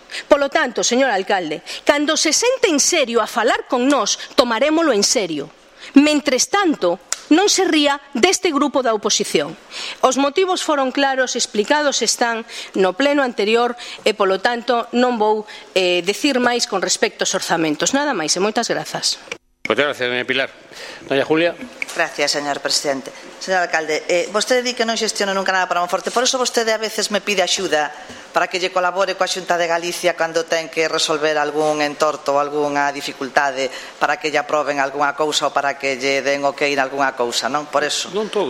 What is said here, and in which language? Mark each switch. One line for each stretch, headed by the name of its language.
Galician: Polo tanto, señor alcalde, cando se sente en serio a falar con nós, tomarémolo en serio. Mentres tanto, non se ría deste grupo da oposición. Os motivos foron claros, explicados están no pleno anterior e, polo tanto, non vou decir máis con respecto aos orzamentos. Nada máis e moitas grazas.
Spanish: Muchas gracias, doña Pilar. Doña Julia. Gracias, señor presidente.
Galician: Señor alcalde, vostede di que non xestiono nunca nada para Monforte,
Spanish: por eso
Galician: vostede a veces me pide axuda para que lle colabore coa Xunta de Galicia cando ten que resolver algún entorto ou algunha dificultade para que lle aproben algunha cousa ou para que lle den ok en algunha cousa, non?
Spanish: Por eso.
Galician: Non todos.